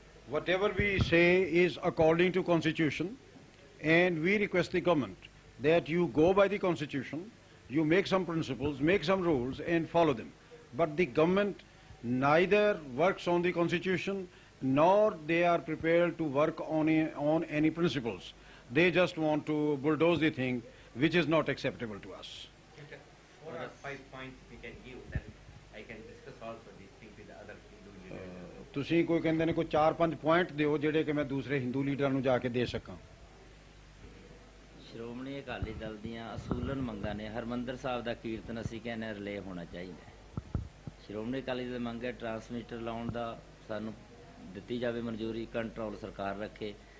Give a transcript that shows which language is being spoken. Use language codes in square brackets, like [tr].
[en] Whatever we say is according to constitution and we request the government that you go by the constitution, you make some principles, make some rules and follow them, but the government neither works on the constitution nor they are prepared to work on any principles. They just want to bulldoze the thing, which is not acceptable to us. What are 5 points we can give, then I can discuss also this thing with the other Hindu leaders? [pa] ਤੁਸੀਂ ਕੋਈ ਕਹਿੰਦੇ ਨੇ ਕੋਈ 4-5 points ਦਿਓ ਜਿਹੜੇ ਕਿ ਮੈਂ ਦੂਸਰੇ ਹਿੰਦੂ ਲੀਡਰਾਂ ਨੂੰ ਜਾ ਕੇ ਦੇ ਸਕਾਂ। ਸ਼੍ਰੋਮਣੀ ਅਕਾਲੀ ਦਲ ਦੀਆਂ ਅਸੂਲਨ ਮੰਗਾਂ ਨੇ ਹਰਿਮੰਦਰ ਸਾਹਿਬ ਦਾ ਕੀਰਤਨ ਅਸੀਂ ਕਹਿੰਦੇ ਰਿਲੇਅ ਹੋਣਾ ਚਾਹੀਦਾ। ਸ਼੍ਰੋਮਣੀ ਅਕਾਲੀ ਦਲ ਮੰਗ ਹੈ ਟਰਾਂਸਮੀਟਰ ਲਾਉਣ ਦਾ, ਸਾਨੂੰ ਦਿੱਤੀ ਜਾਵੇ ਮਨਜ਼ੂਰੀ, ਕੰਟਰੋਲ ਸਰਕਾਰ ਰੱਖੇ।